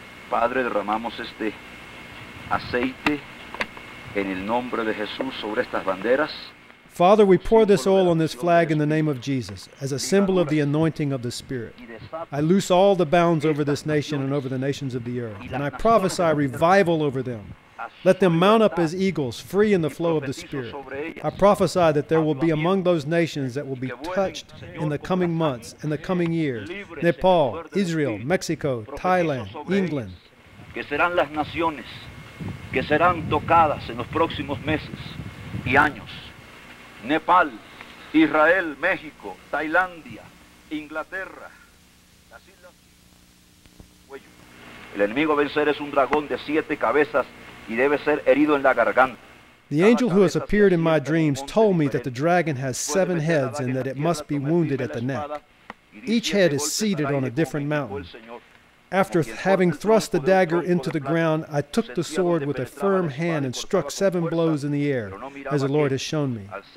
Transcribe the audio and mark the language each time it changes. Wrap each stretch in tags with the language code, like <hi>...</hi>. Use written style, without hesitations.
<es>Padre, derramamos este aceite en el nombre de Jesús sobre estas banderas.</es> <en>Father, we pour this oil on this flag in the name of Jesus as a symbol of the anointing of the Spirit. I loose all the bounds over this nation and over the nations of the earth, and I prophesy revival over them. Let them mount up as eagles, free in the flow of the Spirit. I prophesy that there will be among those nations that will be touched in the coming months, in the coming years, Nepal, Israel, Mexico, Thailand, England.</en> <es>Que serán las naciones que serán tocadas en los próximos meses y años. Nepal, Israel, México, Tailandia, Inglaterra, las islas. El enemigo vencer es un dragón de siete cabezas y debe ser herido en la garganta.</es> <en>The angel who has appeared in my dreams told me that the dragon has seven heads and that it must be wounded at the neck. Each head is seated on a different mountain. After having thrust the dagger into the ground, I took the sword with a firm hand and struck seven blows in the air, as the Lord has shown me.</en>